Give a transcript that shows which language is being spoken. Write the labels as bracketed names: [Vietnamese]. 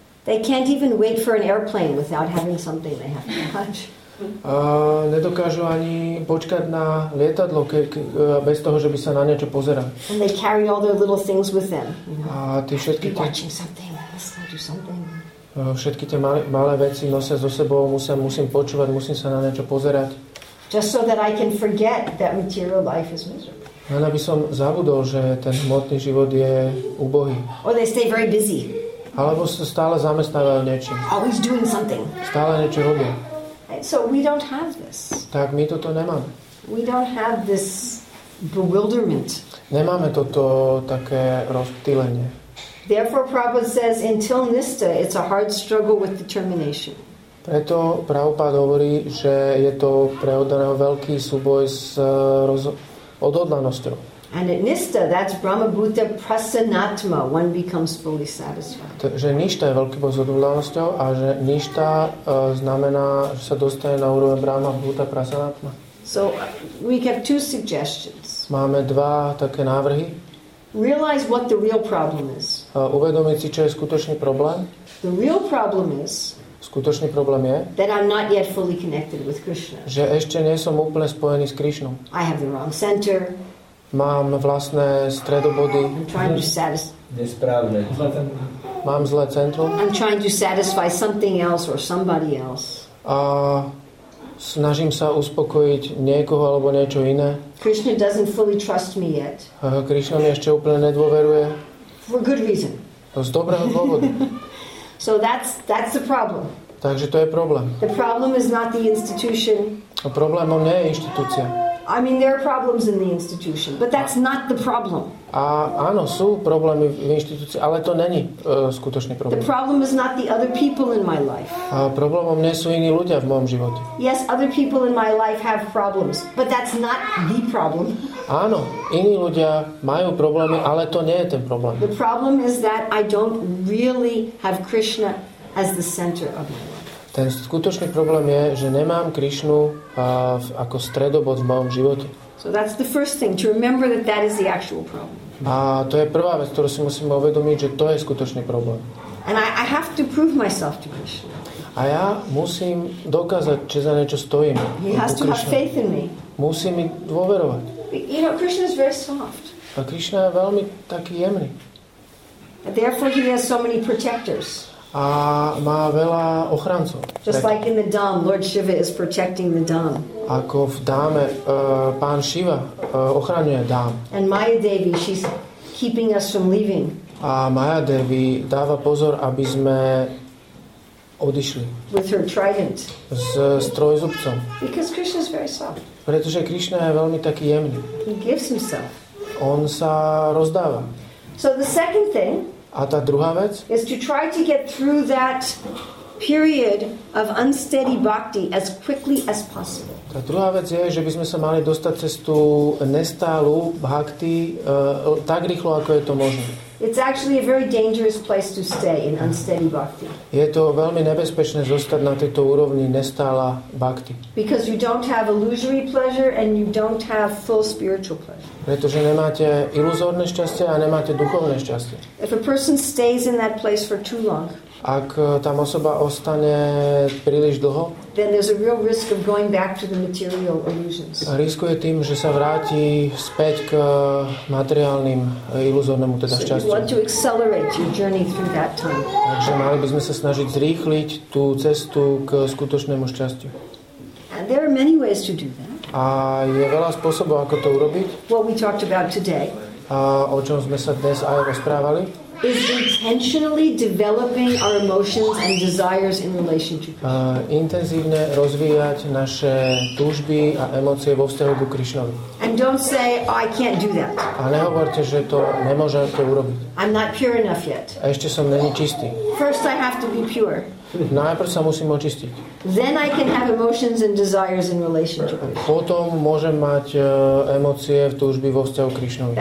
[English] They can't even wait for an airplane without having something they have to watch. [Slovak] Nedokážu ani počkať na lietadlo bez toho, že by sa na niečo pozerali. [English] And they carry all their little things with them. [Slovak] A ty všetky tie... [English] Watching something, listening to something. [Slovak] Všetky tie malé veci nosia so sebou, musím počúvať, musím sa na niečo pozerať. [English] Just so that I can forget that material life is miserable. [Slovak] Len aby som zabudol, že ten hmotný život je ubohý. [English] Or they stay very busy. [Slovak] Alebo sa stále zamestnávajú niečím. [English] Always doing something. [Slovak] Stále niečo robia. [English] So we don't have this. [Slovak] Tak my toto nemáme. [English] We don't have this bewilderment. [Slovak] Nemáme toto také rozptýlenie. [English] Therefore Prabhupada says until nista it's a hard struggle with determination. [Slovak] Preto Prabhupada hovorí, že je to pre oddaného veľký súboj s odhodlanosťou. [English] And at nista that's brahmabhuta prasanatma, one becomes fully satisfied. [Slovak] Že nista je veľký boj s odhodlanosťou a že nista znamená, že sa dostane na úroveň brahmabhuta prasanatma. [English] So we have two suggestions. [Slovak] Máme dva také návrhy. [English] Realize what the real problem is. [Slovak] Uvedomiť si, čo je skutočný problém. [English] The real problem is. [Slovak] Skutočný problém je. [English] That I'm not yet fully connected with Krishna. [Slovak] Že ešte nie som úplne spojený s Krishnou. [English] I have the wrong center. [Slovak] Mám vlastné stredobody. [English] I'm trying to [Slovak] nesprávne. Mám zlé centrum. [English] I'm trying to satisfy something else or somebody else. [Slovak] A snažím sa uspokojiť niekoho alebo niečo iné. [English] Krishna doesn't fully trust me yet. [Slovak] Krishna mi ešte úplne nedôveruje. [English] For good reason. [Slovak] Z dobrého dôvodu. [English] So that's the problem. [Slovak] Takže to je problém. [English] The problem is not the institution. [Slovak] A problémom nie je inštitúcia. [English] I mean, there are problems in the institution, but that's not the problem. [Slovak] A áno, sú problémy v inštitúcii, ale to není skutočný problém. [English] The problem is not the other people in my life. [Slovak] A problémom nie sú iní ľudia v mojom živote. [English] Yes, other people in my life have problems, but that's not the problem. [Slovak] Áno, iní ľudia majú problémy, ale to nie je ten problém. [English] The problem is that I don't really have Krishna as the center of my life. [Slovak] Ten skutočný problém je, že nemám Krišnu ako stredobod v mojom živote. [English] So that's the first thing, to remember that that is the actual problem. [Slovak] A to je prvá vec, ktorú si musím uvedomiť, že to je skutočný problém. [English] And I have to prove myself to Krishna. [Slovak] A ja musím dokázať, či za niečo stojím. [English] He has to have faith in me. [Slovak] Musí mi dôverovať. [English] You know, Krishna is very soft. [Slovak] A Krišna je veľmi taký jemný. [English] Therefore he has so many protectors. [Slovak] A má veľa ochrancov. [English] Just like in the Dham, Lord Shiva is protecting the Dham. [Slovak] Ako v Dhame, pán Shiva ochraňuje Dham. [English] And Maya Devi, she's keeping us from leaving. [Slovak] A Maya Devi dáva pozor, aby sme odišli. [English] With her trident. [Slovak] S trojzubcom. [English] Because Krishna is very soft. [Slovak] Pretože Krishna je veľmi taký jemný. [English] He gives himself. [Slovak] On sa rozdáva. [English] So the second thing. [Slovak] A tá druhá vec? [English] Is to try to get through that period of unsteady bhakti as quickly as possible. [Slovak] Tá druhá vec je, že by sme sa mali dostať cez tú nestálu bhakti tak rýchlo, ako je to možné. [English] It's actually a very dangerous place to stay in unsteady bhakti. [Slovak] Je to veľmi nebezpečné zostať na tejto úrovni nestála bhakti. [English] Because you don't have illusory pleasure and you don't have full spiritual pleasure. [Slovak] Pretože nemáte iluzórne šťastie a nemáte duchovné šťastie. [English] If a person stays in that place for too long, [Slovak] ak tam osoba ostane príliš dlho, [English] then there's a real risk of going back to the material illusions. [Slovak] Riskuje tým, že sa vráti späť k materiálnym iluzórnemu teda šťastiu. [English] So you want to accelerate your journey through that time. [Slovak] Takže mali by sme sa snažiť zrýchliť tú cestu k skutočnému šťastiu. [English] And there are many ways to do that. [Slovak] A je veľa spôsobov, ako to urobiť. [English] What we talked about today. [Slovak] A o čom sme sa dnes aj rozprávali. [English] Is intentionally developing our emotions and desires in relation to Krishna. [Slovak] Intenzívne rozvíjať naše túžby a emócie vo vzťahu ku Krišnovi. [English] And don't say, oh, I can't do that. [Slovak] A nehovorte, že to nemôžem to urobiť. [English] I'm not pure enough yet. [Slovak] A ešte som není čistý. [English] First I have to be pure. [Slovak] Najprv sa musím očistiť. [English] Then I can have emotions and desires in relation to Krishna. [Slovak] Potom môžem mať emócie v túžbi vo vzťahu Krišnovi.